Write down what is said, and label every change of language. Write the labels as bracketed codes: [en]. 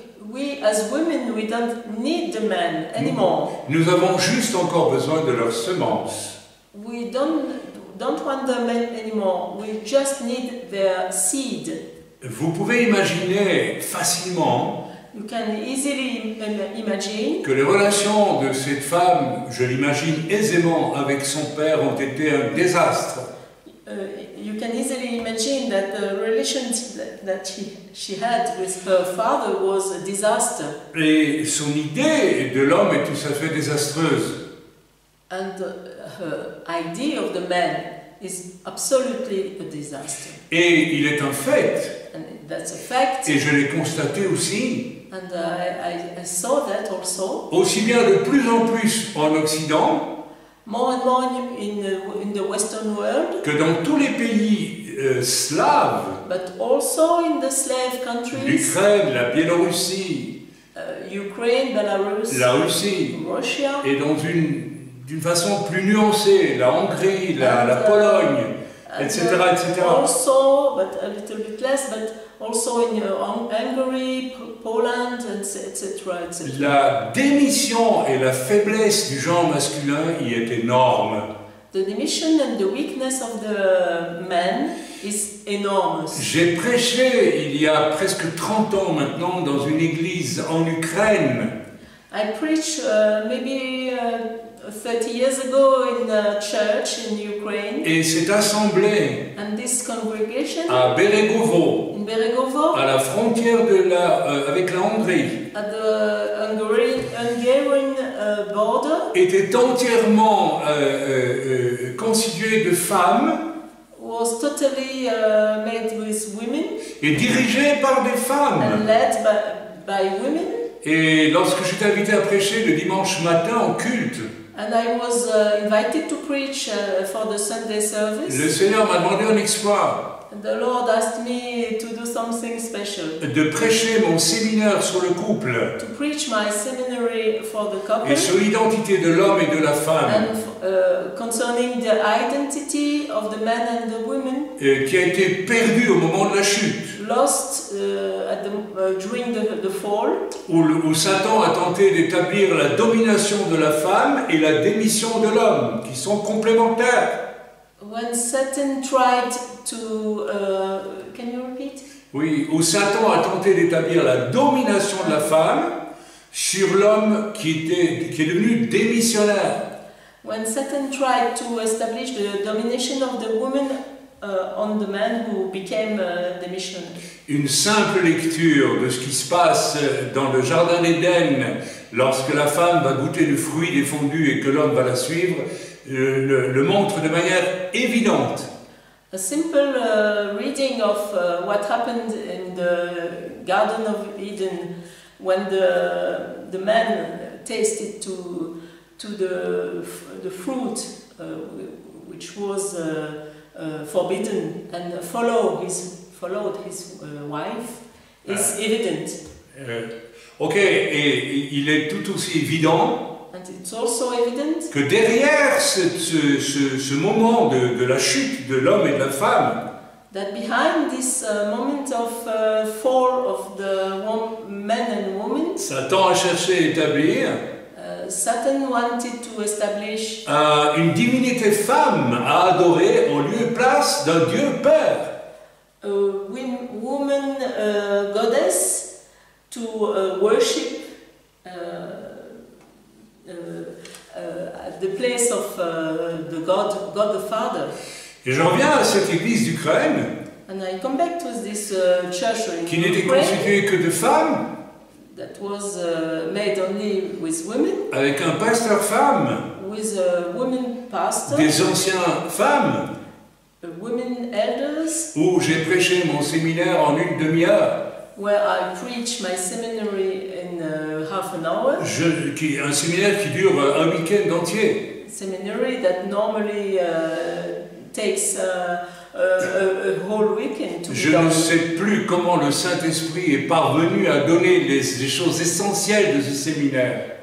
[en] We as women, we don't need the men anymore. [fr] Nous avons juste encore besoin de leurs semences. [en] We don't want the men anymore. We just need their seed. [fr] Vous pouvez imaginer facilement. [en] You can easily imagine [fr] que les relations de cette femme, je l'imagine aisément, avec son père ont été un désastre. [en] You can easily imagine that the relationship that she had with her father was a disaster. [fr] Et son idée de l'homme est tout à fait désastreuse. [en] And her idea of the man is absolutely a disaster. [fr] Et il est un fait. [en] And that's a fact. [fr] Et je l'ai constaté aussi. [en] And I saw that also. [fr] Aussi bien de plus en plus en Occident. [en] More and more in the Western world. [fr] Que dans tous les pays slaves. [en] But also in the slave countries. [fr] L'Ukraine, la Biélorussie. [en] Ukraine, Belarus. [fr] La Russie. [en] Russia. [fr] Et dans une façon plus nuancée, la Hongrie, la Pologne, etc., etc. [en] Also, but a little bit less, but also in Hungary, Poland, etc., etc. [fr] La démission et la faiblesse du genre masculin y est énorme. [en] The démission and the weakness of the man is enormous. [fr] J'ai prêché il y a presque 30 ans maintenant dans une église en Ukraine. [en] I preach maybe 30 years ago in a church in Ukraine. [fr] Et cette assemblée, [en] and this congregation, [fr] à Beregovo, [en] in Beregovo, [fr] à la frontière de la avec la Hongrie, [en] at the Hungarian border, [fr] était entièrement constituée de femmes, [en] was totally made with women, [fr] et dirigée par des femmes, [en] and led by women. [fr] Et lorsque j'étais invité à prêcher le dimanche matin en culte, [en] and I was invited to preach for the Sunday service. [fr] Le Seigneur m'a demandé un exploit. [en] The Lord asked me to do something special. [fr] De prêcher mon séminaire sur le couple. [en] To preach my seminary for the couple. [fr] Et sur l'identité de l'homme et de la femme. [en] And concerning the identity of the man and the woman. [fr] Qui a été perdue au moment de la chute. [en] Lost during the fall. [fr] Où Satan a tenté d'établir la domination de la femme et la démission de l'homme, qui sont complémentaires. [en] When Satan tried to, can you repeat? [fr] Oui, où Satan a tenté d'établir la domination de la femme sur l'homme qui est devenu démissionnaire. [en] When Satan tried to establish the domination of the woman on the man who became the mission. [fr] Une simple lecture de ce qui se passe dans le jardin d'Éden, lorsque la femme va goûter le fruit défendu et que l'homme va la suivre, le montre de manière évidente. [en] A simple reading of what happened in the Garden of Eden when the man tasted to the fruit which was forbidden and followed his wife is evident. [fr] Ok, et il est tout aussi évident. [en] And it's also evident [fr] que derrière ce moment de la chute de l'homme et de la femme, [en] that behind this moment of fall of the man and woman, [fr] Satan a cherché à établir [en] Satan wanted to establish [fr] une divinité femme à adorer en lieu et place d'un Dieu Père. [en] Woman goddess to worship at the place of the God the Father. [fr] Et j'en viens à cette église d'Ukraine. [en] And I come back to this church in [fr] qui n'était constituée que de femmes. [en] That was made only with women. [fr] Avec un pasteur femme. [en] With a woman pastor. [fr] Des anciens femmes. [en] Women elders. [fr] Où j'ai prêché mon séminaire en une demi-heure. [en] Where I preach my seminary in half an hour. [fr] Un séminaire qui dure un week-end entier. [en] Seminary that normally takes a whole weekend to [fr] je ne sais plus comment le Saint-Esprit est parvenu à donner les choses essentielles de ce séminaire.